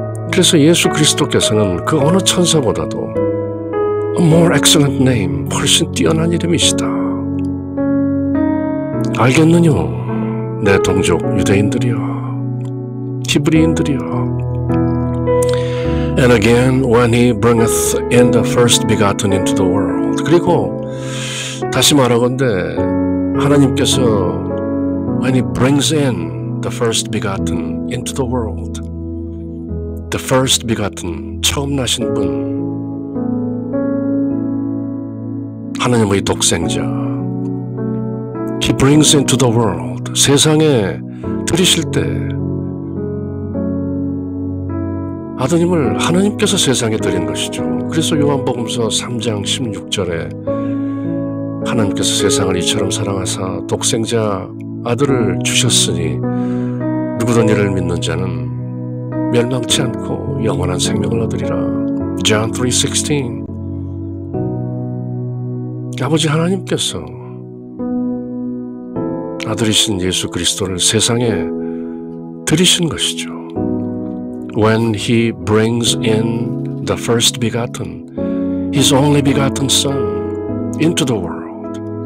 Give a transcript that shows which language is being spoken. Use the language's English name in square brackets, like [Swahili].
[Korean] 그래서 예수 그리스도께서는 그 어느 천사보다도 [English] a more excellent name, [Korean] 훨씬 뛰어난 이름이시다. 알겠느뇨, 내 동족 유대인들이여, 히브리인들이여. [English] And again, when he bringeth in the first begotten into the world. [Korean] 그리고 다시 말하건대 하나님께서 [English] when he brings in the first begotten into the world, the first begotten [Korean] 처음 나신 분 하나님의 독생자 [English] he brings into the world [Korean] 세상에 들이실 때 아드님을 하나님께서 세상에 들인 것이죠. 그래서 요한복음서 3장 16절에 하나님께서 세상을 이처럼 사랑하사 독생자 아들을 주셨으니 누구든 이를 믿는 자는 멸망치 않고 영원한 생명을 얻으리라. John 3:16 아버지 하나님께서 아들이신 예수 그리스도를 세상에 들이신 것이죠. [English] When he brings in the first begotten, his only begotten son into the world.